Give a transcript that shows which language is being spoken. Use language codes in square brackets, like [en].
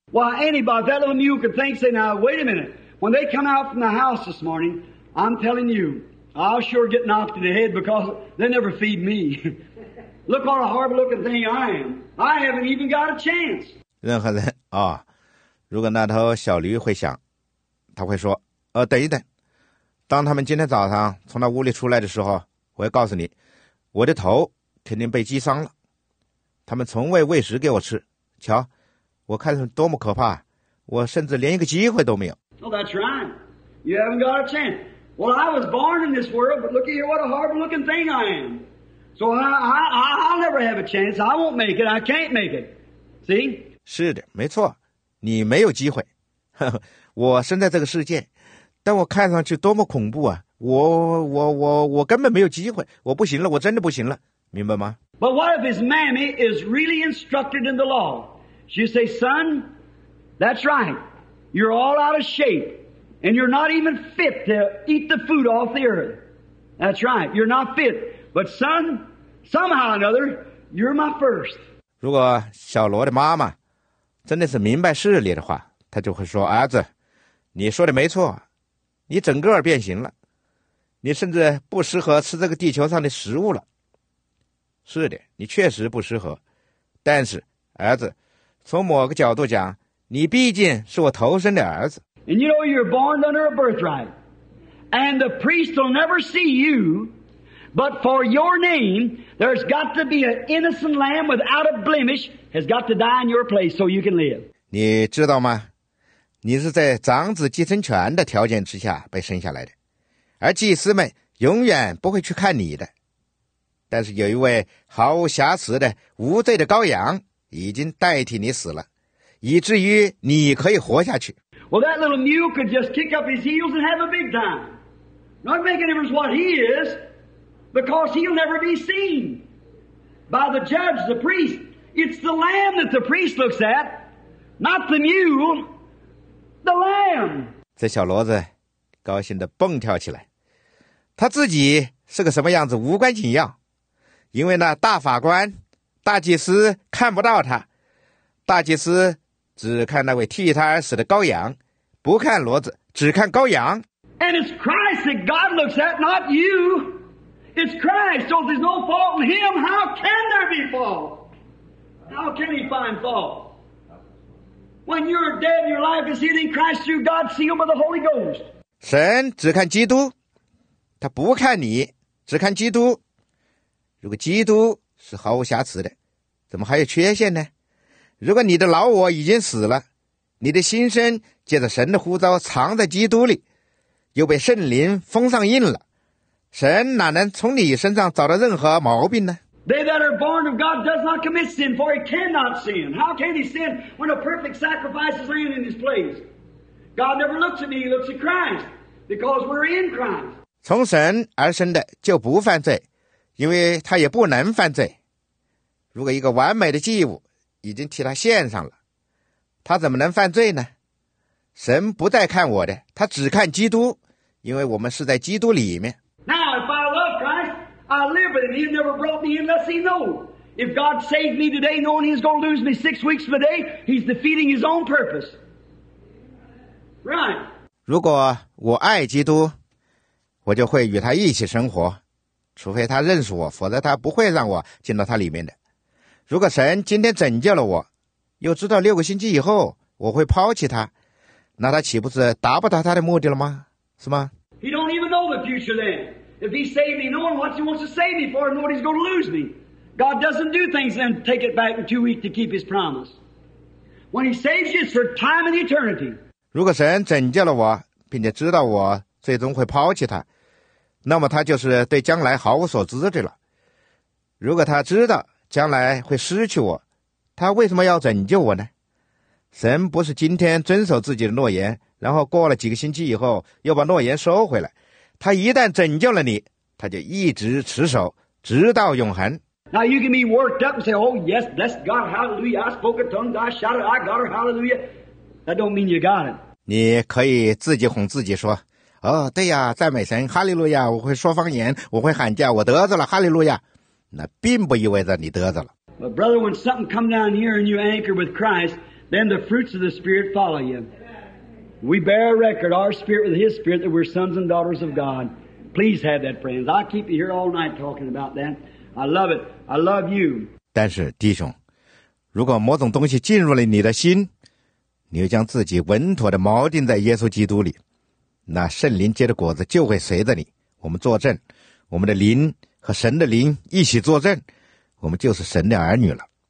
[en] Why anybody that little mule could think, say, now wait a minute, when they come out from the house this morning, I'm telling you, I'll sure get knocked in the head because they never feed me. Look what a horrible looking thing I am. I haven't even got a chance. [zh] 任何人啊，如果那头小驴会想。他会说等一等，当他们今天早上从那屋里出来的时候，我要告诉你，我的头肯定被击伤了，他们从未喂食给我吃，瞧我看上多么可怕，我甚至连一个机会都没有。 [en] Oh, that's right. You haven't got a chance. Well, I was born in this world, but look at here, what a horrible looking thing I am. So I'll never have a chance. I won't make it. I can't make it. See? [zh] 是的，没错，你没有机会。我生在这个世界，但我看上去多么恐怖啊！我根本没有机会，我不行了，我真的不行了，明白吗 [en] ？But what if his mammy is really instructed in the law? She say, "Son, that's right. You're all out of shape, and you're not even fit to eat the food off the earth. That's right. You're not fit. But son, somehow or another, you're my first." [zh] 如果小罗的妈妈真的是明白事理的话。他就会说，儿子，你说的没错，你整个变形了，你甚至不适合吃这个地球上的食物了。是的，你确实不适合，但是儿子，从某个角度讲，你毕竟是我头生的儿子。 [en] And you know you're born under a birthright, and the priest will never see you, but for your name there's got to be an innocent lamb without a blemish has got to die in your place so you can live. [zh] 你知道吗，你是在长子继承权的条件之下被生下来的，而祭司们永远不会去看你的，但是有一位毫无瑕疵的无罪的羔羊已经代替你死了，以至于你可以活下去。 [en] Well, that little mule could just kick up his heels and have a big time. Not make a difference what he is, because he'll never be seen by the judge, the priest. It's the lamb that the priest looks at, not the mule. The lamb. [zh] 这小骡子高兴地蹦跳起来，他自己是个什么样子无关紧要，因为那大法官大祭司看不到他，大祭司只看那位替他而死的羔羊，不看骡子，只看羔羊。 [en] And it's Christ that God looks at, not you. It's Christ, so if there's no fault in him, how can there be fault? How can he find fault? When you're dead, your life is hidden in Christ through God, sealed by the Holy Ghost. [zh] 神只看基督，他不看你，只看基督。如果基督是毫无瑕疵的，怎么还有缺陷呢？如果你的老我已经死了，你的心身借着神的呼召藏在基督里，又被圣灵封上印了，神哪能从你身上找到任何毛病呢？ [en] They that are born of God does not commit sin, for he cannot sin. How can he sin when a perfect sacrifice is laying in his place? God never looks at me, he looks at Christ, because we're in Christ. [zh] 从神而生的就不犯罪，因为他也不能犯罪。如果一个完美的祭物已经替他献上了，他怎么能犯罪呢？神不再看我的，他只看基督，因为我们是在基督里面。 [en] Now, if I love Christ, I live with him. He never brought me in unless he knew. If God saved me today knowing he's going to lose me 6 weeks of a day, he's defeating his own purpose. Right. [zh] 如果我爱基督，我就会与他一起生活，除非他认识我，否则他不会让我进到他里面的。如果神今天拯救了我，又知道六个星期以后我会抛弃他，那他岂不是达不到他的目的了吗？是吗？ [en] He don't even know the future then. If he saved me, knowing what he wants to save me for, and what he's going to lose me. God doesn't do things then take it back in 2 weeks to keep his promise. When he saves you, it's for time and eternity. [zh] 如果神拯救了我，并且知道我最终会抛弃他，那么他就是对将来毫无所知的了。如果他知道将来会失去我，他为什么要拯救我呢？神不是今天遵守自己的诺言，然后过了几个星期以后又把诺言收回来。他一旦拯救了你，他就一直持守，直到永恒。 [en] Now you can be worked up and say, "Oh yes, bless God, hallelujah! I spoke a tongue, I shouted, I got her, hallelujah." That don't mean you got it. [zh] 你可以自己哄自己说，哦，对呀，赞美神，哈利路亚，我会说方言，我会喊叫，我得着了，哈利路亚。那并不意味着你得着了。 [en] But brother, when something come down here and you anchor with Christ, then the fruits of the Spirit follow you. We bear a record, our spirit with his spirit, that we're sons and daughters of God. Please have that, friends. I keep you here all night talking about that. I love it. I love you. [zh] 但是弟兄，如果某种东西进入了你的心，你又将自己稳妥地锚定在耶稣基督里，那圣灵结的果子就会随着你。我们作证，我们的灵和神的灵一起作证，我们就是神的儿女了。